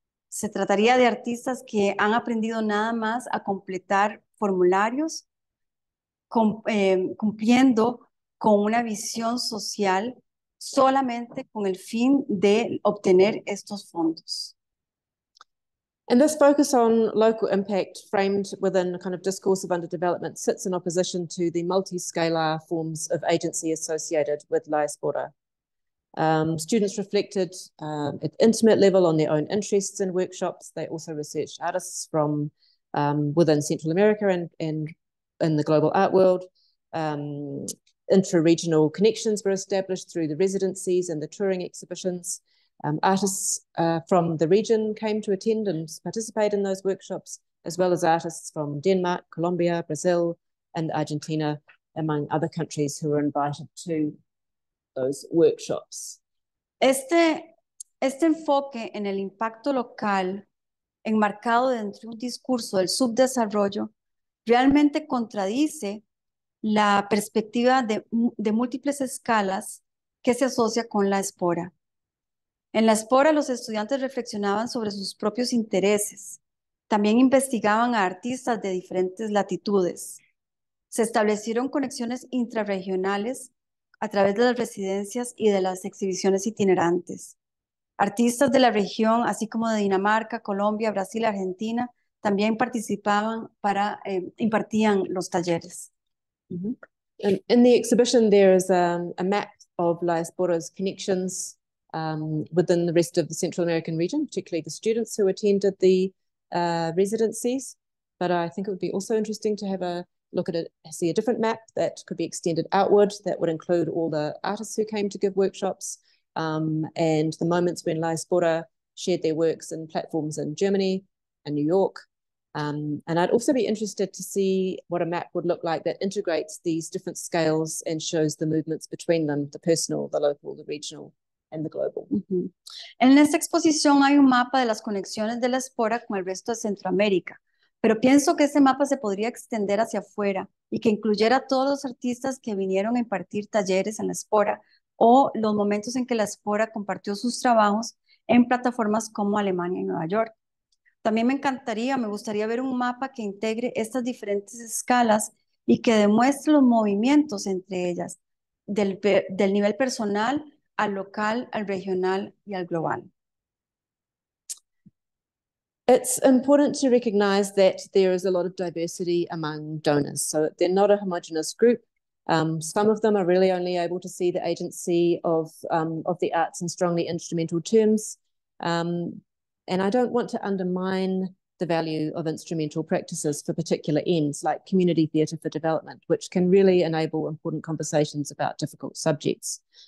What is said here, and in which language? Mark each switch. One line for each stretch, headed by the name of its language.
Spanish: Se trataría de artistas que han aprendido nada más a completar formularios, cumpliendo con una visión social solamente con el fin de obtener estos fondos.
English: And this focus on local impact framed within a kind of discourse of underdevelopment sits in opposition to the multi-scalar forms of agency associated with La Espora. Students reflected at intimate level on their own interests in workshops. They also researched artists from within Central America and in the global art world. Intra-regional connections were established through the residencies and the touring exhibitions. Artists from the region came to attend and participate in those workshops, as well as artists from Denmark, Colombia, Brazil, and Argentina, among other countries who were invited to those workshops.
Spanish: Este enfoque en el impacto local, enmarcado dentro de un discurso del subdesarrollo, realmente contradice la perspectiva de múltiples escalas que se asocia con la espora. En la espora, los estudiantes reflexionaban sobre sus propios intereses. También investigaban a artistas de diferentes latitudes. Se establecieron conexiones intrarregionales a través de las residencias y de las exhibiciones itinerantes. Artistas de la región, así como de Dinamarca, Colombia, Brasil, Argentina, también participaban para impartían los talleres.
English: And in the exhibition, there is a map of La Espora's connections within the rest of the Central American region, particularly the students who attended the residencies. But I think it would be also interesting to have a look at it, see a different map that could be extended outward that would include all the artists who came to give workshops and the moments when La Espora shared their works and platforms in Germany and New York. And I'd also be interested to see what a map would look like that integrates these different scales and shows the movements between them, the personal, the local, the regional, and the global.
Spanish: En esta exposición hay un mapa de las conexiones de La Espora con el resto de Centroamérica, pero pienso que ese mapa se podría extender hacia afuera y que incluyera a todos los artistas que vinieron a impartir talleres en La Espora o los momentos en que La Espora compartió sus trabajos en plataformas como Alemania y Nueva York. También me gustaría ver un mapa que integre estas diferentes escalas y que demuestre los movimientos entre ellas, del nivel personal al local, al regional y al global.
English: It's important to recognize that there is a lot of diversity among donors. So they're not a homogenous group. Some of them are really only able to see the agency of the arts in strongly instrumental terms. And I don't want to undermine the value of instrumental practices for particular ends, like community theatre for development, which can really enable important conversations about difficult subjects.